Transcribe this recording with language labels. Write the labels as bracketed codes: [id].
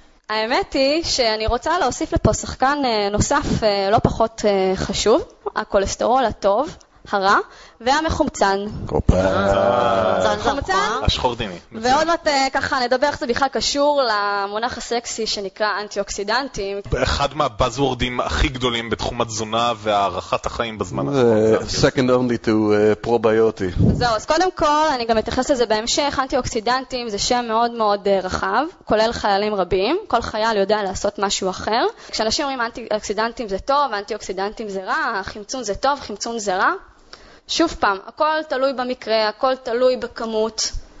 [he] האמת היא שאני רוצה להוסיף לפה שחקן נוסף לא פחות חשוב, הכולסטרול הטוב, הרע, והמחומצן. קופה. מחומצן. השחור דימי. ועוד מעט ככה נדבר איך זה בכלל קשור למונח הסקסי שנקרא אנטי-אוקסידנטים. אחד מהבזוורדים הכי גדולים בתחום התזונה והערכת החיים בזמן. [en] Second only to probiotic. [he] זהו, אז קודם כל אני גם אתייחס לזה בהמשך. אנטי-אוקסידנטים זה שם מאוד מאוד רחב, כולל חיילים רבים. כל חייל יודע לעשות משהו אחר. כשאנשים אומרים אנטי-אוקסידנטים זה טוב, אנטי-אוקסידנטים זה רע, חמצון זה טוב, חמצון זה רע. שוב פעם, הכל תלוי במקרה, הכל תלוי בכמות.